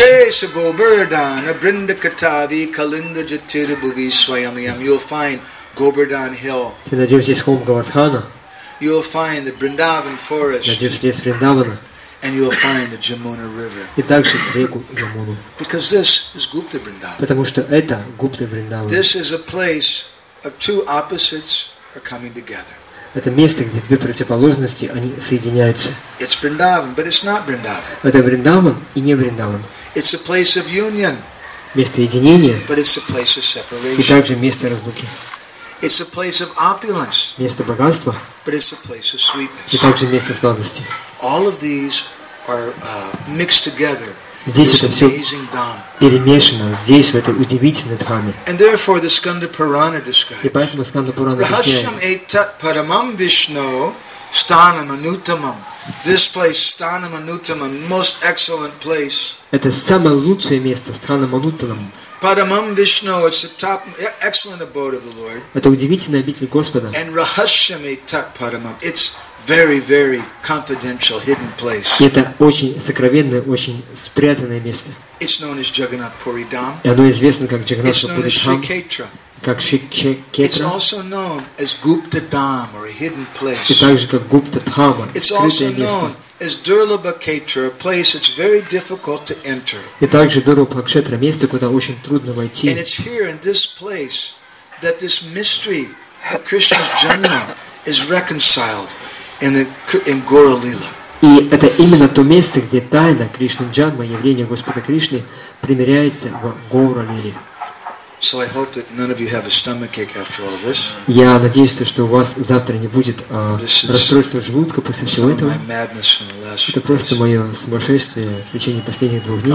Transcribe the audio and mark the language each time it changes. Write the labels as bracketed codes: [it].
[sa] Chakre Sagobardana Brindakatavi Kalinda Jatira Bhuvi Swayamiyam. [en] You'll find Gobardhan Hill. [ru] Ты найдешь здесь холм Говардхана. [en] You'll find the Vrindavan forest. [ru] Найдешь здесь Вриндавана. [en] And you'll find the Jamuna River. [ru] И также реку Ямуну. [en] Because this is Gupta Vrindavan. [ru] Потому что это Гупта Вриндаван. [en] This is a place of two opposites are coming together. [ru] Это место, где две противоположности они соединяются. [en] It's Vrindavan, but it's not Vrindavan. [ru] Это Вриндаван и не Вриндаван. [en] It's a place of union. [ru] Место единения. [en] But it's a place of separation. [ru] И также место разлуки. [en] It's a place of opulence. [ru] Место богатства. [en] But it's a place of sweetness. [ru] И также место сладости. [en] All of these are mixed together. [ru] Здесь это все перемешано. Здесь в этой удивительной дхаме. [en] And therefore the Skanda Purana describes. [ru] И поэтому Скандо Пурана объясняет. [sa] Rahasyam etat paramam Vishno sthanam anuttamam. [en] This place sthanam anuttamam, most excellent place. [ru] Это самое лучшее место sthanam anuttamam. [en] Paramam Vishnu, it's the top, excellent abode of the Lord. [ru] Это удивительная обитель Господа. [en] And Rahasyam etat paramam, it's very, very confidential, hidden place. [ru] И это очень сокровенное, очень спрятанное место. [en] It's known as Jagannath Puri Dham. [ru] И оно известно как Jagannath Puri Dham. [en] It's known as Sri [ru] Ketra. Как Sri Ketra. [en] It's also known as Gupta Dham or a hidden place. [ru] И также как Гупта Дхама. [en] It's also known as Durlabha Ketra, a place that's very difficult to enter. [ru] И также Дурлабха Кшетра, место, куда очень трудно войти. [en] And it's here in this place that this mystery of Krishna's Janma is reconciled in Gaura Lila. [ru] И это именно то место, где тайна Кришны Джанма, явление Господа Кришны, примиряется в Гаура Лиле. [en] So I hope that none of you have a stomachache after all this. [ru] Я надеюсь, что у вас завтра не будет расстройства желудка после всего этого. Это просто мое сумасшествие в течение последних двух дней.